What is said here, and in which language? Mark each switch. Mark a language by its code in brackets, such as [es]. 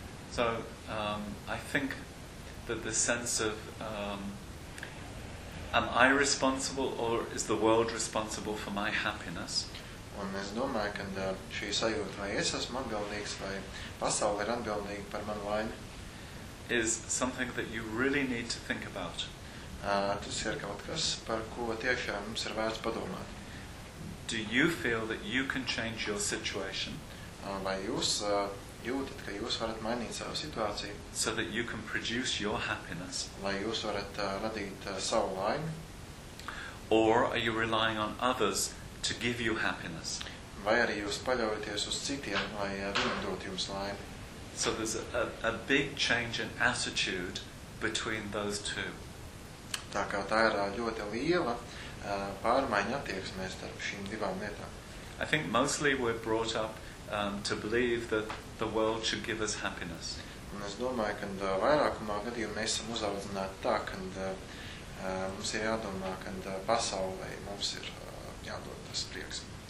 [en] So, I think that the sense of am I responsible or is the world responsible for my happiness? [lv] Un es domāju, ka šī sajūta, vai es esmu atbildīgs, vai pasaule ir atbildīga par manu laimi, [en] is something that you really need to think about. [lv] Tas ir kaut kas, par ko tiešām mums ir vērts padomāt. [en] Do you feel that you can change your situation? [lv] vai jūs jūtat, ka jūs varat mainīt savu situāciju, [en] so that you can produce your happiness, [lv] vai jūs varat radīt savu laimi, [en] or are you relying on others to give you happiness, [lv] vai arī jūs paļaujaties uz citiem, lai viņi dotu jums laimi. [en] So there's a big change in attitude between those two. [lv] Tā kā tā ir ļoti liela pārmaiņa attieksmē starp šīm divām lietām. [en] I think mostly we're brought up to believe that the world should give us happiness. [lv] Un es domāju, ka vairākumā gadījumā mēs esam uzaudzināti tā, ka mums ir jādomā, ka pasaulē mums ir jādod tas prieks.